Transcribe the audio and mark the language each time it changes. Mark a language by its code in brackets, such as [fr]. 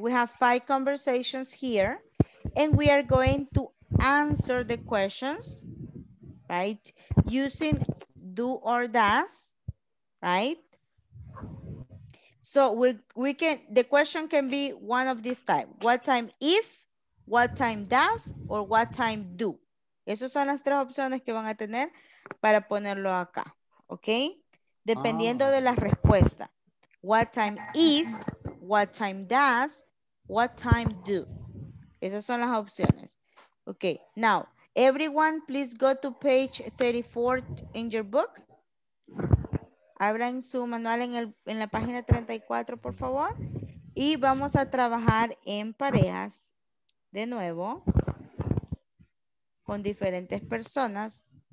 [en] We have five conversations here, and we are going to answer the questions, right? Using do or does, right? So we can, the question can be one of these type. What time is, what time does, or what time do? [es] Esas son las tres opciones que van a tener para ponerlo acá. Ok, dependiendo de la respuesta. [en] What time is, what time does, what time do. [es] Esas son las opciones. [en] Ok, now, everyone, please go to page 34 in your book. [es] Abran su manual en la página 34, por favor. Y vamos a trabajar en parejas de nuevo con diferentes personas.